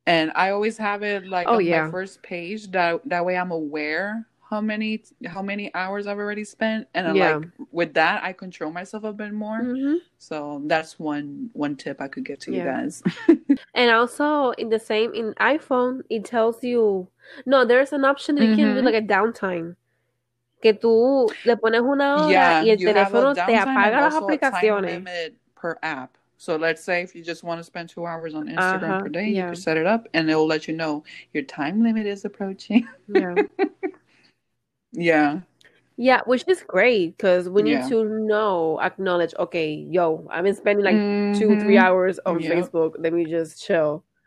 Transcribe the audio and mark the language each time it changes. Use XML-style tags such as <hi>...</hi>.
<en>And I always have it like on my first page. That way I'm aware how many hours I've already spent. And with that, I control myself a bit more. Mm-hmm. So that's one tip I could give to you guys. And also in iPhone, it tells you, no, there's an option that you can do like a downtime.</en> <es>Que tú le pones una hora y el teléfono te apaga las aplicaciones.</es> <en>Time limit per app. So let's say if you just want to spend 2 hours on Instagram per day, you can set it up and it will let you know your time limit is approaching. Yeah, which is great because we need to acknowledge, okay, yo, I've been spending like 2-3 hours on Facebook. Let me just chill.</en>